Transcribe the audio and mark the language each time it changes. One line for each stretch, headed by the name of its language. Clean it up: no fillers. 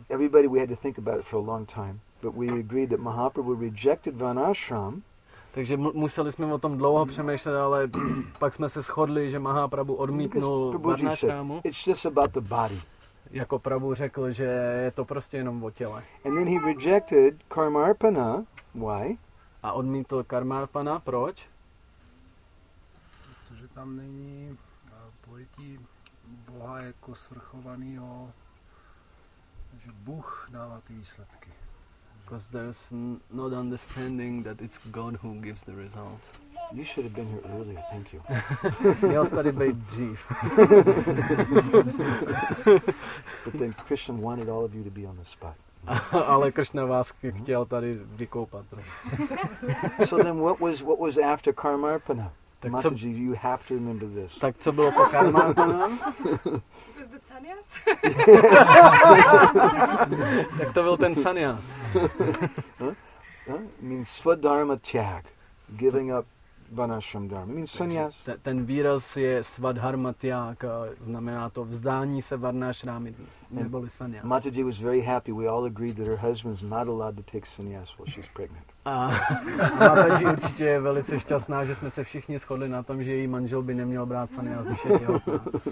English: Everybody, we had to think about it for a long time. But we agreed that Mahaprabhu rejected Varnashram.
Czech: Takže museli jsme o tom dlouho přemýšlet, ale pak jsme se shodli, že Mahaprabhu odmítnul Varnashramu.
English: It's just about the body.
Czech: Jako Prabhu řekl, že je to prostě jenom o těle.
English: And then he rejected Karmarpana. Why?
Czech: A odmítl Karmarpana. Proč? Protože tam není pojetí Boha jako svrchovanýho, že Bůh dává ty výsledky.
English: Because there's not understanding that it's God who gives the result. You should have been here earlier, thank you.
Czech: Měl tady být dřív.
English: But then Krishna wanted all of you to be on the spot.
Czech: Ale Krishna vás chtěl tady vykoupat.
English: So then what was after Karmarpana? Mataji, you have to remember this.
Czech: Tak co bylo po Karmarpana? Tak to byl ten sannyas.
English: Means svadharma tyag, giving up vanashram dharma. Means sannyas.
Czech: Ten výraz je svadharma tyag, znamená to vzdání se varnashrami, neboli sannyas.
English: Mataji was very happy. We all agreed that her husband's not allowed to take sannyas while she's pregnant.
Czech: Mataji určitě je velice šťastná, že jsme se všichni shodli na tom, že její manžel by neměl brát sannyas, když je těhotná.